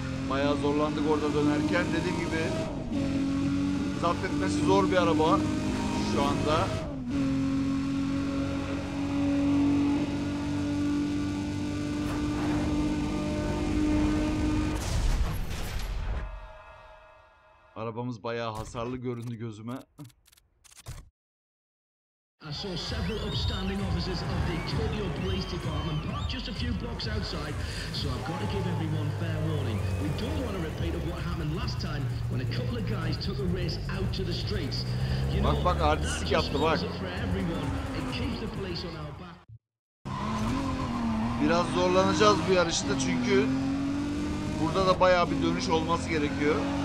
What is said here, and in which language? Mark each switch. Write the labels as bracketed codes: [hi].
[tr] Bayağı zorlandık orada dönerken. Dediğim gibi zapt etmesi zor bir araba şu anda. Arabamız bayağı hasarlı göründü gözüme. [en] I saw several upstanding officers of the Tokyo Police Department parked just a few blocks outside, so I've got to give everyone fair warning. We don't want a repeat of what happened last time when a couple of guys took a race out to the streets. You know, bak, that just [tr] yaptı, bak. [en] For everyone. It keeps the police on our back. [tr] Biraz zorlanacağız bu yarışta çünkü burada da bayağı bir dönüş olması gerekiyor.